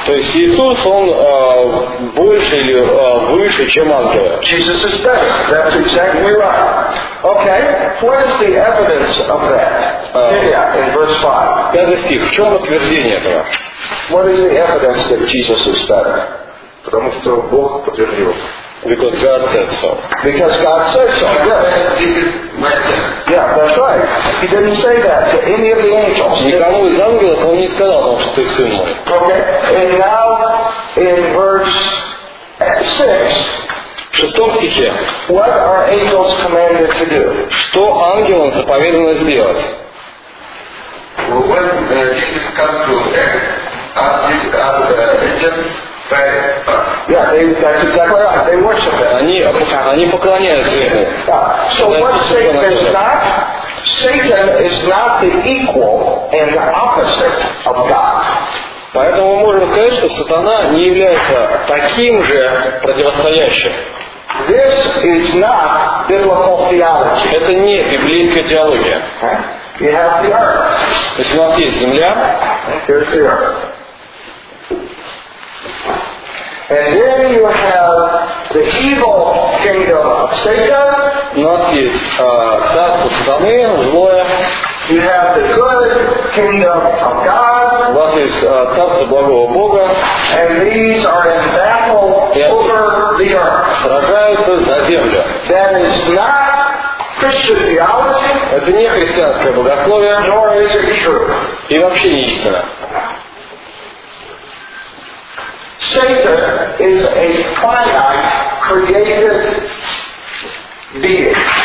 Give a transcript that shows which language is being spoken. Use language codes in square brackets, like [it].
[ru] То есть Иисус, он больше или выше, чем ангелы. [en] Jesus is better. That's exactly right. Okay. What is the evidence of that? In verse 5. [ru] Пятый стих. В чем подтверждение этого? [en] What is the evidence that Jesus is better? [ru] Потому что Бог подтвердил. [en] Because God said so. Because God said so. Yes. This is my turn. Yeah, that's right. He didn't say that to any of the angels. [ru] Никому из ангелов он не сказал, что ты сын мой. [en] Okay. And now in verse 6. [ru] В шестом стихе. [en] What are angels commanded to do? [ru] Что ангелам заповедано сделать? [en] Well, when Jesus comes to earth, these are the angels. Yeah, that's exactly right. They worship him. [ru] Они поклоняются ему. [en] So what Satan is not? Satan is not the equal and the opposite of God. [ru] Поэтому мы можем сказать, что сатана не является таким же противостоящим. [en] This is not biblical theology. [ru] Это не библейская теология. [en] We have the earth. [ru] То есть у нас есть земля. [en] Here's the earth. And then you have the evil kingdom of Satan. [ru] У нас есть царство сатаны, злое. [en] You have the good kingdom of God. [ru] У вас есть царство благого Бога. [en] And these are in battle over the earth. [ru] Сражаются за землю. [en] That is not Christian theology. [ru] Это не христианское богословие. [en] Nor is it true. [ru] И вообще не истина. [en] Satan is a finite created being.